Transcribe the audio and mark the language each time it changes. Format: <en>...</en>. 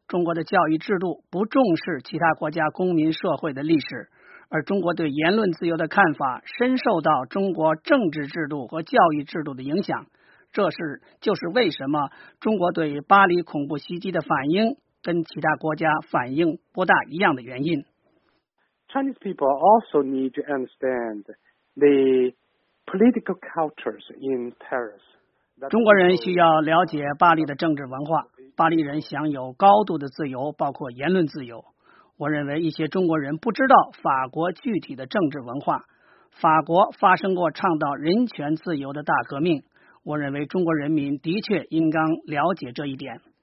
<zh>中国的教育制度不重视其他国家公民社会的历史，而中国对言论自由的看法深受到中国政治制度和教育制度的影响。这是就是为什么中国对巴黎恐怖袭击的反应跟其他国家反应不大一样的原因。</zh> <en>Chinese people also need to understand the political cultures in Paris.</en> <zh>中国人需要了解巴黎的政治文化。巴黎人享有高度的自由，包括言论自由。我认为一些中国人不知道法国具体的政治文化。法国发生过倡导人权自由的大革命。我认为中国人民的确应当了解这一点。</zh>